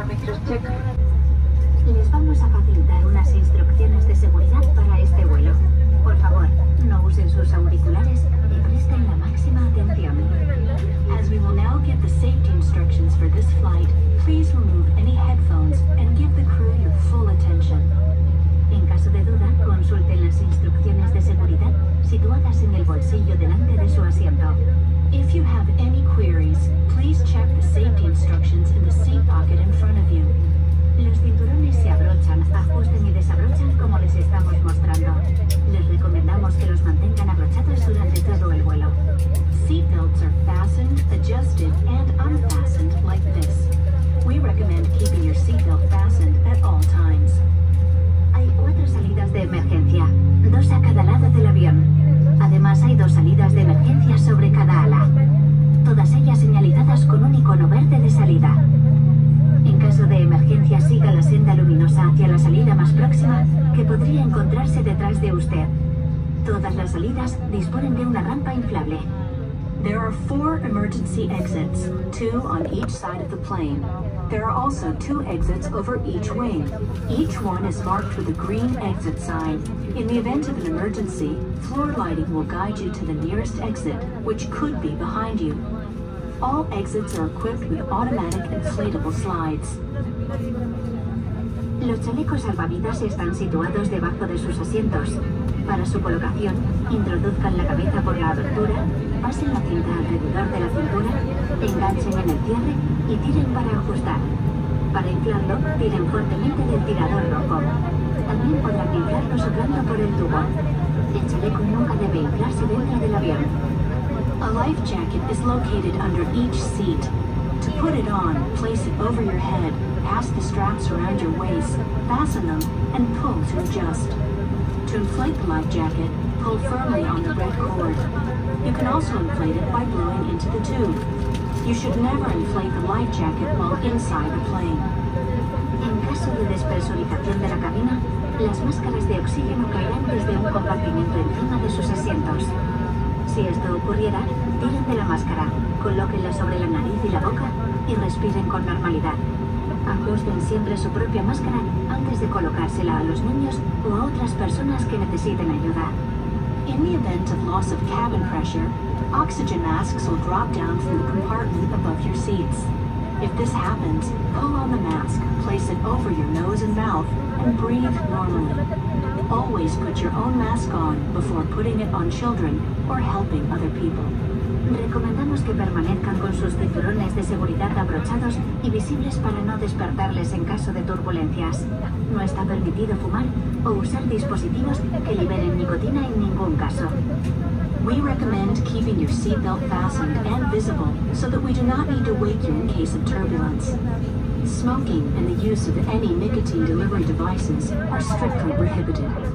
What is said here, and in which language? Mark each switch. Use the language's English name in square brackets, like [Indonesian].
[Spanish] Les vamos a facilitar unas instrucciones de seguridad para este vuelo. Por favor, no usen sus auriculares y presten la máxima atención. [English] As we will now give the safety instructions for this flight, please remove any headphones and give the crew your full attention. [Spanish] En caso de duda, consulten las instrucciones de seguridad situadas en el bolsillo delante de su asiento. [English] If you have any queries, please check the safety instructions in the seat pocket in front of you. [Spanish] Los cinturones se abrochan, ajusten y desabrochan como les estamos mostrando. Les recomendamos que los mantengan abrochados durante todo el vuelo. [English] Seat belts are fastened, adjusted, and unfastened like this. We recommend keeping your seat belt fastened at all times. [Spanish] Hay cuatro salidas de emergencia, dos a cada lado del avión. Además, hay dos salidas de emergencia sobre cada ala, todas ellas señalizadas con un icono verde de salida. En caso de emergencia, siga la senda luminosa hacia la salida más próxima, que podría encontrarse detrás de usted. Todas las salidas disponen de una rampa inflable. [English] There are four emergency exits, two on each side of the plane. There are also two exits over each wing. Each one is marked with a green exit sign. In the event of an emergency, floor lighting will guide you to the nearest exit, which could be behind you. All exits are equipped with automatic inflatable slides. [Spanish] Los chalecos salvavidas están situados debajo de sus asientos. Para su colocación, introduzcan la cabeza por la abertura, pasen la cinta alrededor de la cintura, enganchen en el cierre y tiren para ajustar. Para inflarlo, tiren fuertemente del tirador rojo. También podrán inflarlo soplando por el tubo. El chaleco nunca debe inflarse dentro del avión. [English] A life jacket is located under each seat. To put it on, place it over your head, pass the straps around your waist, fasten them, and pull to adjust. To inflate the life jacket, pull firmly on the red cord. You can also inflate it by blowing into the tube. You should never inflate the life jacket while inside the plane. [Spanish] En caso de despresurización de la cabina, las máscaras de oxígeno caerán desde un compartimento encima de sus asientos. Si esto ocurriera, tiren de la máscara, colóquenla sobre la nariz y la boca y respiren con normalidad. Ajusten siempre su propia máscara antes de colocársela a los niños o a otras personas que necesiten ayuda. [English] In the event of loss of cabin pressure, oxygen masks will drop down from the compartment above your seats. If this happens, pull on the mask, place it over your nose and mouth, and breathe normally. Always put your own mask on before putting it on children or helping other people. [Spanish] Recomendamos que permanezcan con sus cinturones de seguridad abrochados y visibles para no despertarles en caso de turbulencias. No está permitido fumar o usar dispositivos que liberen nicotina en ningún caso. [English] We recommend keeping your seatbelt fastened and visible so that we do not need to wake you in case of turbulence. Smoking and the use of any nicotine delivery devices are strictly prohibited.